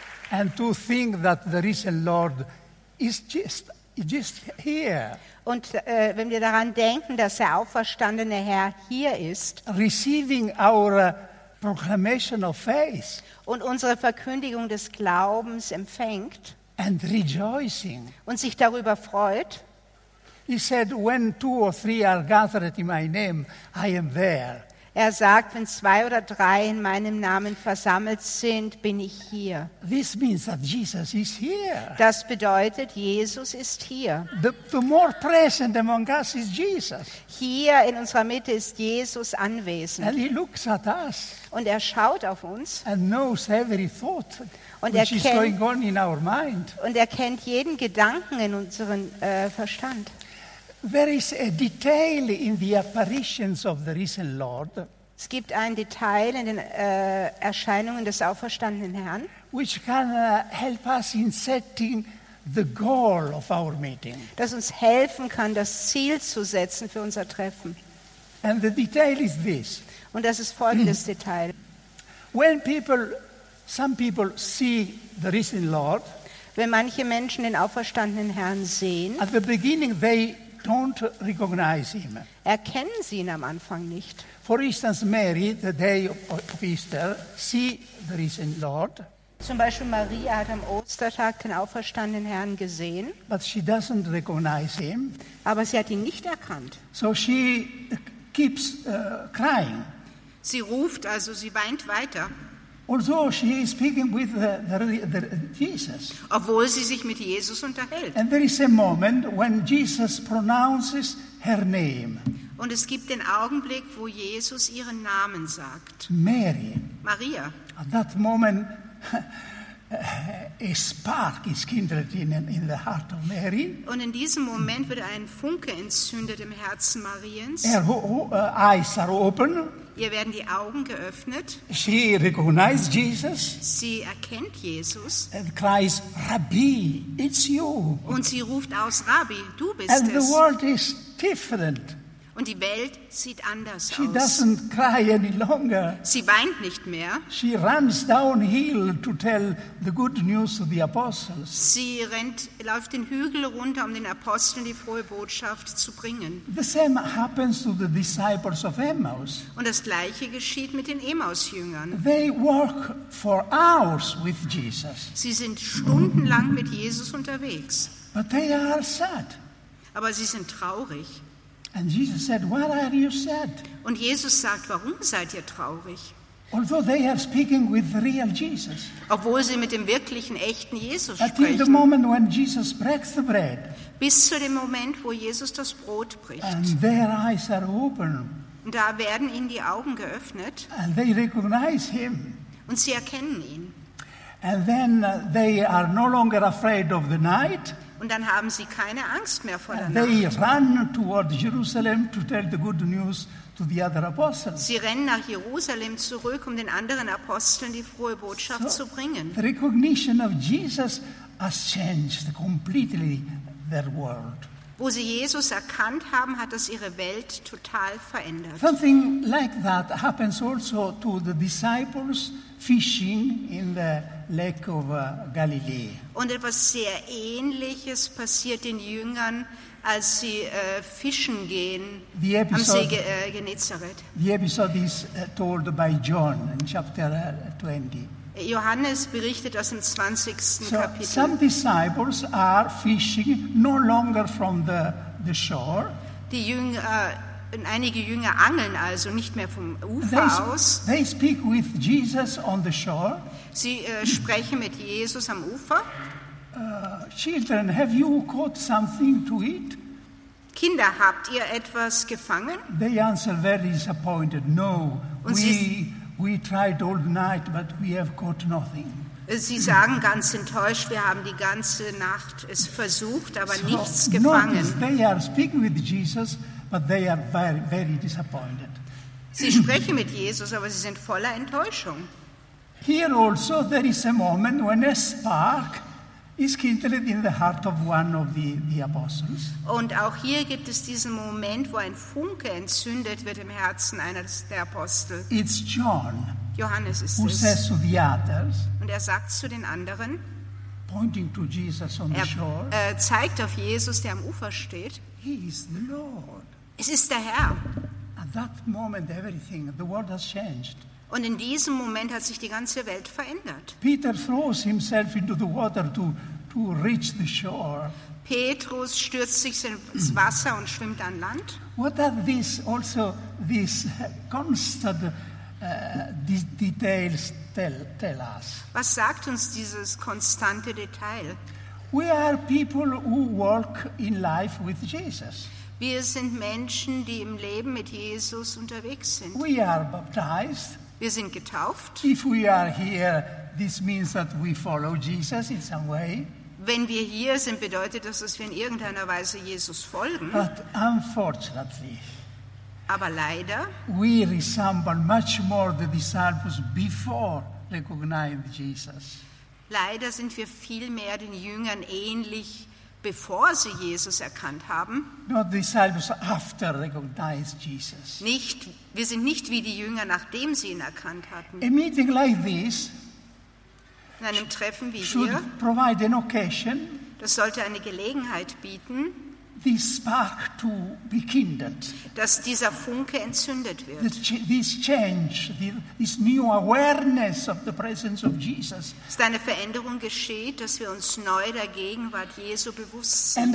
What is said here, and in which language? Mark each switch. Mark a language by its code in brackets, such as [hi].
[en] And to think that the risen Lord is just here. [de] Und wenn wir daran denken, dass der auferstandene Herr hier ist, [en] receiving our proclamation of faith [de] und unsere Verkündigung des Glaubens empfängt [en] and rejoicing [de] und sich darüber freut. [en] He said, when two or three are gathered in my name, I am there. [de] Er sagt, wenn zwei oder drei in meinem Namen versammelt sind, bin ich hier. [en] This means that Jesus is here. [de] Das bedeutet, Jesus ist hier. [en] The more present among us is Jesus. [de] Hier in unserer Mitte ist Jesus anwesend. [en] And he looks at us. [de] Und er schaut auf uns. [en] And knows every thought [de] und er [en] which is going on in our mind. [de] Und er kennt jeden Gedanken in unserem Verstand. [en] There is a detail in the apparitions of the risen Lord. [de] Es gibt ein Detail in den Erscheinungen des auferstandenen Herrn, [en] which can help us in setting the goal of our meeting. [de] Das uns helfen kann, das Ziel zu setzen für unser Treffen. [en] And the detail is this. [de] Und das ist folgendes Detail. [en] When people, some people see the risen Lord, [de] wenn manche Menschen den auferstandenen Herrn sehen, [en] at the beginning they don't recognize him. [de] Erkennen sie ihn am Anfang nicht. [en] For instance, Mary, the day of Easter, see the risen Lord. [de] Zum Beispiel Maria hat am Ostertag den auferstandenen Herrn gesehen. [en] But she doesn't recognize him. [de] Aber sie hat ihn nicht erkannt. [en] So she keeps crying. [de] Sie ruft, also sie weint weiter. [en] Although she is speaking with the Jesus. [de] Obwohl sie sich mit Jesus unterhält. [en] And there is a moment when Jesus pronounces her name. [de] Und es gibt den Augenblick, wo Jesus ihren Namen sagt. [en] Mary. [de] Maria. [en] At that moment, a spark is kindled in the heart of Mary. [de] Und in diesem Moment wird ein Funke entzündet im Herzen Mariens. [en] Her eyes are open. [de] Ihr werden die Augen geöffnet. [en] She recognizes Jesus. [de] Sie erkennt Jesus. [en] And cries, Rabbi, it's you. [de] Und sie ruft aus, Rabbi, du bist [en] and [de] es. [en] And the world is different. [de] Und die Welt sieht anders [en] she [de] aus. [en] She doesn't cry any longer. [de] Sie weint nicht mehr. [en] She runs downhill to tell the good news to the apostles. [de] Sie rennt, läuft den Hügel runter, um den Aposteln die frohe Botschaft zu bringen. [en] The same happens to the disciples of Emmaus. [de] Und das gleiche geschieht mit den Emmaus-Jüngern. [en] They walk for hours with Jesus. [de] Sie sind stundenlang mit Jesus unterwegs. [en] But they are sad. [de] Aber sie sind traurig. [en] And Jesus said, "Why are you sad?" [de] Und Jesus sagt, warum seid ihr traurig? [en] Although they are speaking with the real Jesus. [de] Obwohl sie mit dem wirklichen, echten Jesus [en] until [de] sprechen. [en] Until the moment when Jesus breaks the bread. [de] Bis zu dem Moment, wo Jesus das Brot bricht. [en] And their eyes are open. [de] Und da werden ihnen die Augen geöffnet. [en] And they recognize him. [de] Und sie erkennen ihn. [en] And then they are no longer afraid of the night. [de] Und dann haben sie keine Angst mehr vor der Nacht. [en] They run toward Jerusalem to tell the good news to the other apostles. [de] Sie rennen nach Jerusalem zurück, um den anderen Aposteln die frohe Botschaft [en] so, [de] zu bringen. [en] The recognition of Jesus has changed completely their world. [de] Wo sie Jesus erkannt haben, hat das ihre Welt total verändert. [en] Something like that happens also to the disciples fishing in the Lake of Galilee. [de] Und etwas sehr Ähnliches passiert den Jüngern, als sie fischen gehen am See Genezareth. [en] The episode is told by John in chapter 20. [de] Johannes berichtet aus dem 20. [en] So [de] Kapitel. [en] Some disciples are fishing no longer from the shore. [de] Die Jünger, einige Jünger angeln also nicht mehr vom Ufer aus. [en] They speak with Jesus on the shore. [de] Sie sprechen mit Jesus am Ufer. [en] Children, have you caught something to eat? [de] Kinder, habt ihr etwas gefangen? [en] They answer very disappointed. No, [de] und sie, [en] we tried all night, but we have caught nothing. [de] Sie sagen ganz enttäuscht, wir haben die ganze Nacht es versucht, aber [en] so [de] nichts gefangen. [en] Notice, they are speaking with Jesus, but they are very, very disappointed. [de] Sie sprechen mit Jesus, aber sie sind voller Enttäuschung. [en] Here also there is a moment when a spark is kindled in the heart of one of the apostles. [de] Und auch hier gibt es diesen Moment, wo ein Funke entzündet wird im Herzen eines der Apostel. [en] It's John. [de] Johannes ist [en] who [de] es. [en] Who says to the others? [de] Und er sagt zu den anderen. [en] Pointing to Jesus on [de] er, [en] the shore. [de] Er zeigt auf Jesus, der am Ufer steht. [en] He is the Lord. [de] Es ist der Herr. [en] At that moment, everything, the world has changed. [de] Und in diesem Moment hat sich die ganze Welt verändert. [en] Peter throws himself into the water to reach the shore. [de] Petrus stürzt sich ins Wasser und schwimmt an Land. [en] What are these also these constant details tell us? [de] Was sagt uns dieses konstante Detail? [en] We are people who walk in life with Jesus. [de] Wir sind Menschen, die im Leben mit Jesus unterwegs sind. [en] We are baptized. [de] Wir sind getauft. [en] If we are here, this means that we follow Jesus in some way. [de] Wenn wir hier sind, bedeutet das, dass wir in irgendeiner Weise Jesus folgen. [en] But unfortunately, [de] Aber leider, [en] we resemble much more the disciples before recognizing Jesus. [de] Leider sind wir viel mehr den Jüngern ähnlich, bevor sie Jesus erkannt haben. [en] Not the disciples after recognizing Jesus. [de] Nicht, wir sind nicht wie die Jünger, nachdem sie ihn erkannt hatten. [en] A meeting like this, [de] in einem Treffen wie [en] should [de] hier, [en] provide an occasion, [de] das sollte eine Gelegenheit bieten, [en] this spark to be kindled, [de] dass dieser Funke entzündet wird. [en] This change, this new awareness of the presence of Jesus. [de] Dass eine Veränderung geschieht, dass wir uns neu der Gegenwart Jesu bewusst sind.